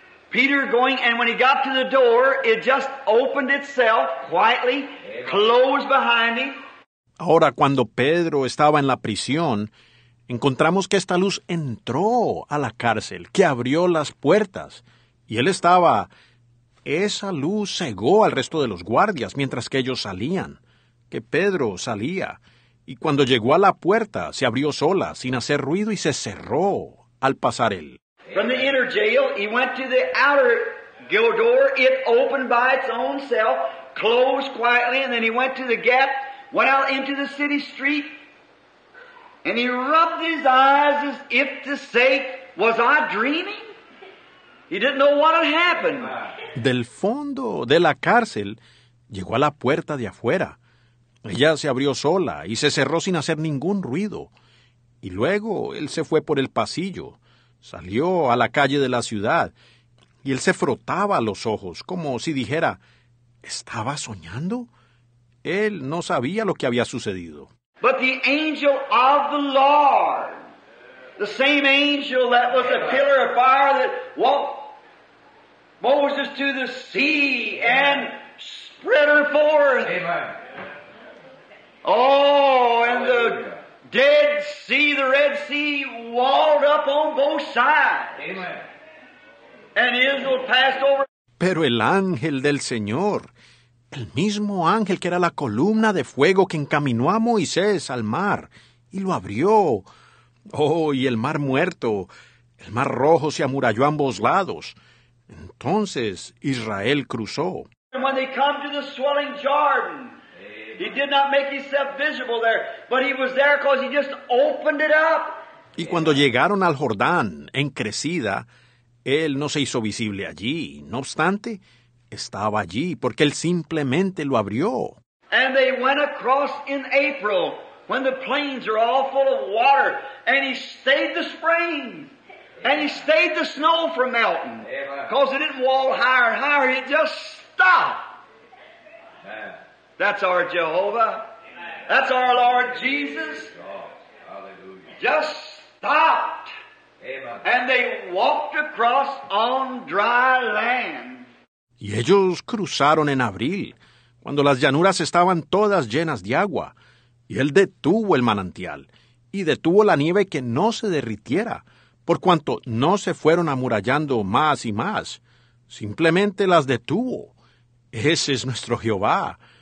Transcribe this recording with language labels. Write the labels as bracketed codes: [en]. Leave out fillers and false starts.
[en] Peter going, and when he got to the door, it just opened itself quietly, closed behind him. [es] Ahora, cuando Pedro estaba en la prisión, encontramos que esta luz entró a la cárcel, que abrió las puertas. Y él estaba... Esa luz cegó al resto de los guardias mientras que ellos salían, que Pedro salía. Y cuando llegó a la puerta, se abrió sola, sin hacer ruido, y se cerró al pasar él. [en] From the inner jail, he went to the outer jail door. It opened by its own self, closed quietly, and then he went to the gap, went out into the city street. And he rubbed his eyes as if to say, was I dreaming? He didn't know what had happened. [es] Del fondo de la cárcel, llegó a la puerta de afuera. Ella se abrió sola y se cerró sin hacer ningún ruido. Y luego él se fue por el pasillo, salió a la calle de la ciudad, y él se frotaba los ojos como si dijera, ¿estaba soñando? Él no sabía lo que había sucedido. [en] But the angel of the Lord, the same angel that was a pillar of fire that walked Moses to the sea and spread her forth. Amen. Oh, and the Dead Sea, the Red Sea, walled up on both sides. Amen. And Israel passed over. [es] Pero el ángel del Señor, el mismo ángel que era la columna de fuego que encaminó a Moisés al mar y lo abrió. Oh, y el mar muerto, el mar rojo se amuralló a ambos lados. Entonces Israel cruzó. [en] And when they come to the swelling Jordan, he did not make himself visible there, but he was there because he just opened it up. [es] Y cuando llegaron al Jordán en crecida, él no se hizo visible allí. No obstante, estaba allí porque él simplemente lo abrió. [en] And they went across in April when the plains are all full of water, and he stayed the spring. And he stayed the snow from melting. Because it didn't wall higher and higher. It just stopped. That's our Jehovah. That's our Lord Jesus. Just stopped. Amen. And they walked across on dry land. [es] Y ellos cruzaron en abril, cuando las llanuras estaban todas llenas de agua. Y él detuvo el manantial, y detuvo la nieve que no se derritiera, por cuanto no se fueron amurallando más y más. Simplemente las detuvo. Ese es nuestro Jehová.